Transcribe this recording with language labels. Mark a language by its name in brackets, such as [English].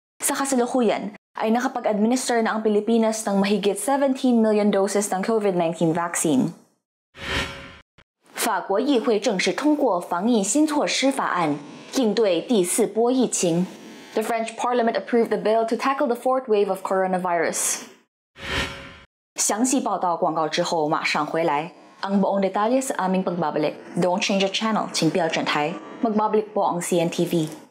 [Filipino] Sa kasalukuyan, ay nakapag-administer na ang Pilipinas ng mahigit 17 million doses ng COVID-19 vaccine. [Chinese] 法国议会正式通过防疫新措施法案,应对第四波疫情. [English] The French Parliament approved the bill to tackle the fourth wave of coronavirus. [Chinese] 详细报道广告之后马上回来 [Filipino] Ang buong detalye sa aming pagbabalik [English] Don't change your channel, [Chinese] 请不要转台 [Filipino] Magbabalik po ang CNTV